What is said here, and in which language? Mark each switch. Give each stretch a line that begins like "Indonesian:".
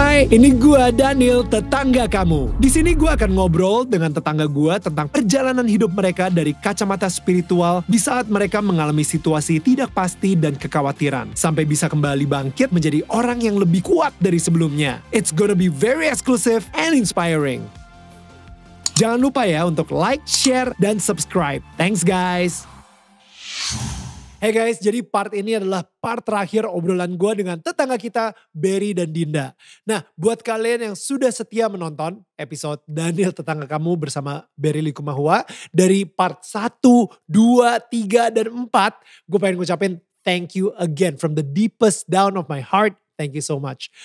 Indonesian: Ini gua Daniel, tetangga kamu. Di sini gua akan ngobrol dengan tetangga gua tentang perjalanan hidup mereka dari kacamata spiritual di saat mereka mengalami situasi tidak pasti dan kekhawatiran sampai bisa kembali bangkit menjadi orang yang lebih kuat dari sebelumnya.
English: It's gonna be very exclusive and inspiring.
Indonesian: Jangan lupa ya untuk like, share, dan subscribe.
English: Thanks guys. Hey guys,
Indonesian: jadi part ini adalah part terakhir obrolan gue dengan tetangga kita, Berry dan Dinda. Nah, buat kalian yang sudah setia menonton episode Daniel Tetangga Kamu bersama Berry Likumahua, dari part 1, 2, 3, dan 4, gue pengen ngucapin
English: thank you again from the deepest down of my heart. Thank you so much.